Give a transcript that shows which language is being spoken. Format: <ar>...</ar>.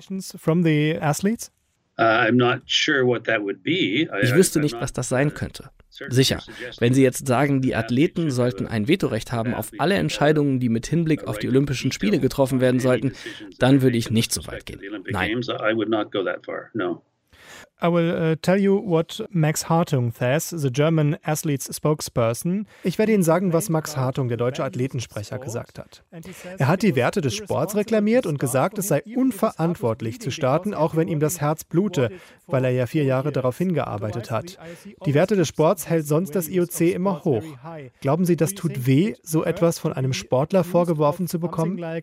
<de>Ich wüsste nicht, was das sein könnte. Sicher, wenn Sie jetzt sagen, die Athleten sollten ein Vetorecht haben auf alle Entscheidungen, die mit Hinblick auf die Olympischen Spiele getroffen werden sollten, dann würde ich nicht so weit gehen. Nein.</de> <en>I will tell you what Max Hartung says, the German athletes spokesperson.</en> <de>Ich werde Ihnen sagen, was Max Hartung, der deutsche Athletensprecher, gesagt hat. Er hat die Werte des Sports reklamiert und gesagt, es sei unverantwortlich zu starten, auch wenn ihm das Herz blute, weil er ja 4 Jahre darauf hingearbeitet hat. Die Werte des Sports hält sonst das IOC immer hoch. Glauben Sie, das tut weh, so etwas von einem Sportler vorgeworfen zu bekommen?</de>